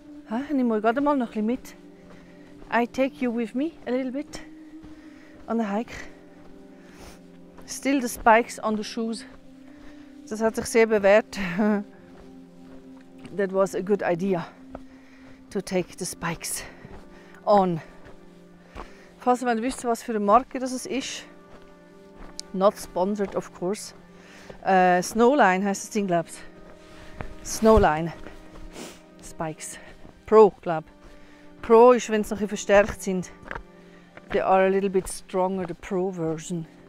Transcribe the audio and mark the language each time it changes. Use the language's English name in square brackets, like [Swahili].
[German] Ha, nimm mal gerade mal noch ein bisschen mit. [English] I take you with me a little bit on the hike. Still the spikes on the shoes. [German] Das hat sich sehr bewährt. [English] That was a good idea to take the spikes on. [German] Falls ihr wisst, was für eine Marke das ist. [English] Not sponsored, of course. [German] Snowline heißt das Ding, glaube ich. Snowline. Spikes. Pro, glaube ich. Pro ist, wenn sie noch ein bisschen verstärkt sind. [English] They are a little bit stronger, the Pro version.